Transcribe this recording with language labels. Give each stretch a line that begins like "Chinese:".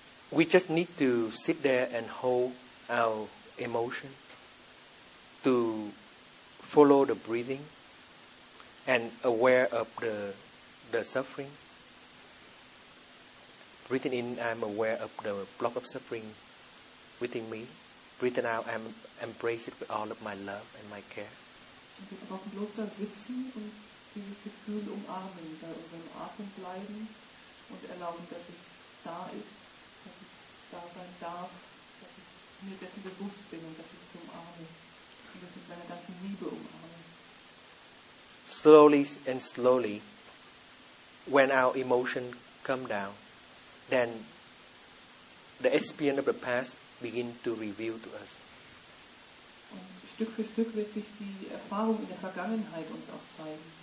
English: We just need to sit there and hold our emotion, to follow the breathing, and aware of the suffering. Breathing in, I'm aware of the block of suffering within me. Breathing out, I'm embrace it with all of my love and my care.
German: Wir brauchen bloß da sitzen und dieses Gefühl umarmen, bei unserem Atem bleiben und erlauben, dass es da ist, dass es da sein darf, dass ich mir dessen bewusst bin und dass ich es umarme und dass ich meine ganze Liebe umarme.
English: Slowly and slowly, when our emotion come down, then the experience of the past begin to reveal to us.
German: Stück für Stück wird sich die Erfahrung in der Vergangenheit uns auch zeigen.